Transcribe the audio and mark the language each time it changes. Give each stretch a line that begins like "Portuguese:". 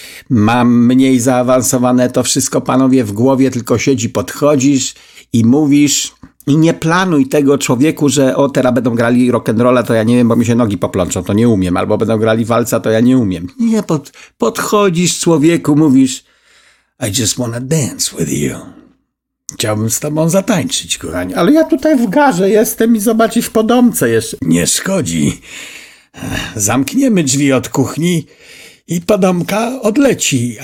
Polish: Mam mniej zaawansowane to wszystko, panowie, w głowie tylko siedzi, podchodzisz i mówisz... I nie planuj tego, człowieku, że o, teraz będą grali rock'n'rolla, to ja nie wiem, bo mi się nogi poplączą, to nie umiem, albo będą grali walca, to ja nie umiem. Nie, podchodzisz, człowieku, mówisz...
English: I just wanna dance with you.
Polish: Chciałbym z tobą zatańczyć, kochanie. Ale ja tutaj w garze jestem i zobaczysz w podomce jeszcze. Nie szkodzi. Zamkniemy drzwi od kuchni i podomka odleci.